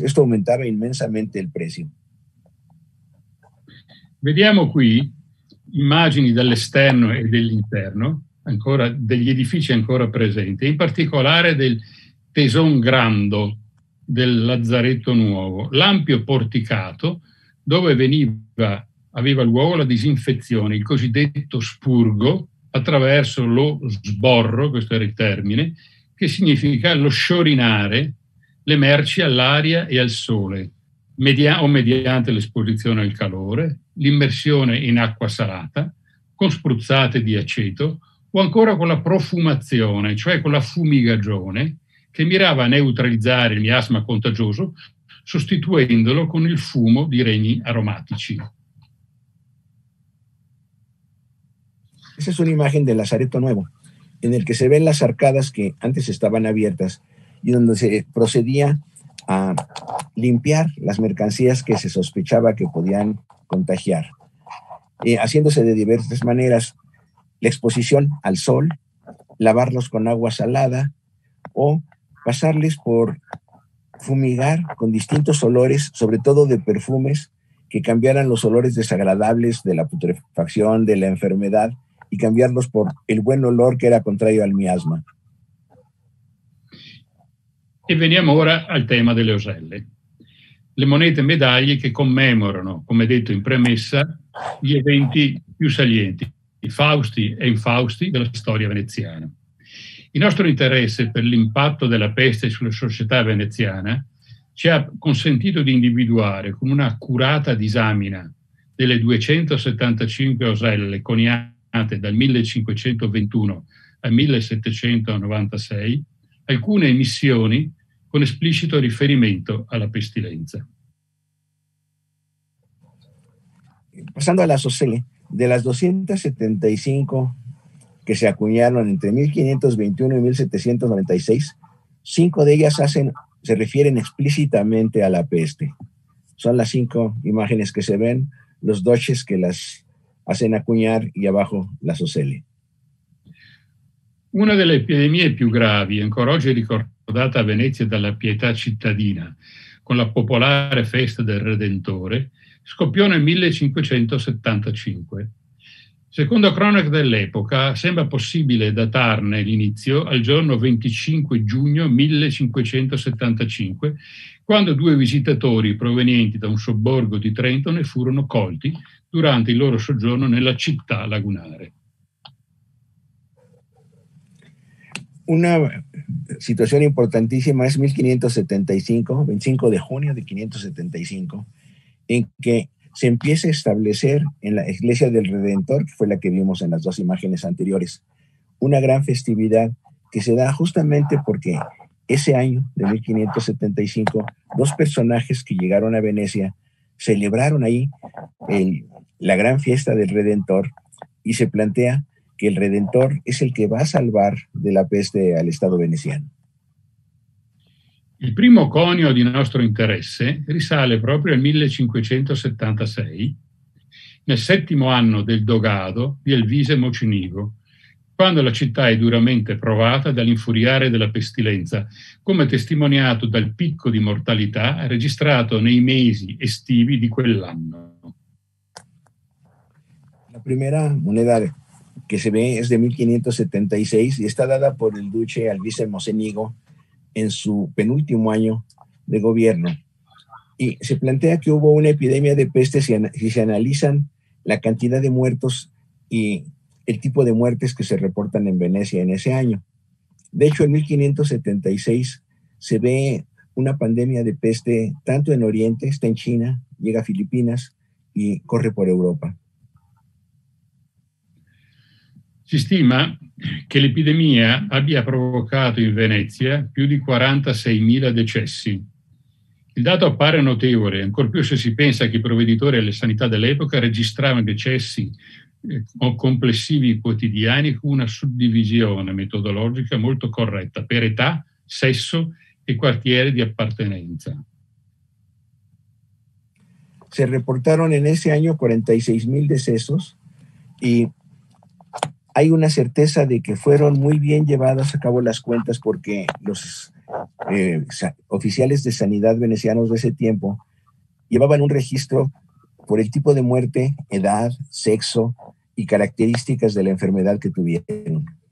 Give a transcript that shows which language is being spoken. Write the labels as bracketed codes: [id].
[es] Esto aumentaba inmensamente el precio. [it] Vediamo qui immagini dall'esterno e dell'interno, ancora degli edifici ancora presenti, in particolare del Teson Grando del Lazzaretto Nuovo, l'ampio porticato dove veniva, aveva luogo la disinfezione, il cosiddetto spurgo, attraverso lo sborro, questo era il termine, che significa lo sciorinare le merci all'aria e al sole, mediante l'esposizione al calore, l'immersione in acqua salata, con spruzzate di aceto, o ancora con la profumazione, cioè con la fumigagione, che mirava a neutralizzare il miasma contagioso, sostituendolo con il fumo di regni aromatici. [es] Esa es una imagen del Lazareto Nuevo, en el que se ven las arcadas que antes estaban abiertas y donde se procedía a limpiar las mercancías que se sospechaba que podían contagiar, haciéndose de diversas maneras: la exposición al sol, lavarlos con agua salada o pasarles por fumigar con distintos olores, sobre todo de perfumes, que cambiaran los olores desagradables de la putrefacción, de la enfermedad, y cambiarlos por el buen olor que era contrario al miasma. [it] E veniamo ora al tema delle oselle. Le monete e medaglie che commemorano, come detto in premessa, gli eventi più salienti, i Fausti e Infausti della storia veneziana. Il nostro interesse per l'impatto della peste sulla società veneziana ci ha consentito di individuare con una accurata disamina delle 275 oselle coniate dal 1521 al 1796 alcune emissioni con esplicito riferimento alla pestilenza. Passando alla oselle. [es] De las 275 que se acuñaron entre 1521 y 1796, 5 de ellas se refieren explícitamente a la peste. Son las 5 imágenes que se ven, los doches que las hacen acuñar y abajo las oselle. [it] Una delle epidemie più gravi, ancora oggi ricordata a Venezia dalla pietà cittadina, con la popolare festa del Redentore, scoppiò nel 1575. Secondo cronache dell'epoca, sembra possibile datarne l'inizio al giorno 25 giugno 1575, quando due visitatori provenienti da un sobborgo di Trento ne furono colti durante il loro soggiorno nella città lagunare. [es] una situación importantísima es 1575, 25 de junio de 1575, en que se empieza a establecer en la Iglesia del Redentor, que fue la que vimos en las dos imágenes anteriores, una gran festividad que se da justamente porque ese año de 1575, dos personajes que llegaron a Venecia celebraron ahí la gran fiesta del Redentor, y se plantea que el Redentor es el que va a salvar de la peste al Estado veneciano. [it] Il primo conio di nostro interesse risale proprio al 1576, nel settimo anno del dogado di Elvise Mocenigo, quando la città è duramente provata dall'infuriare della pestilenza, come testimoniato dal picco di mortalità registrato nei mesi estivi di quell'anno. La prima moneda che si vede è del 1576 e è stata data por il duce Elvise Mocenigo [es] en su penúltimo año de gobierno. Y se plantea que hubo una epidemia de peste si se analizan la cantidad de muertos y el tipo de muertes que se reportan en Venecia en ese año. De hecho, en 1576 se ve una pandemia de peste tanto en Oriente, está en China, llega a Filipinas y corre por Europa. [it] Si stima che l'epidemia abbia provocato in Venezia più di 46.000 decessi. Il dato appare notevole, ancor più se si pensa che i provveditori alle sanità dell'epoca registravano decessi complessivi quotidiani con una suddivisione metodologica molto corretta per età, sesso e quartiere di appartenenza. [es] Se reportarono in ese anno 46.000 decessi hay una certeza de que fueron muy bien llevadas a cabo las cuentas porque los oficiales de sanidad venecianos de ese tiempo llevaban un registro por el tipo de muerte, edad, sexo y características de la enfermedad que tuvieron.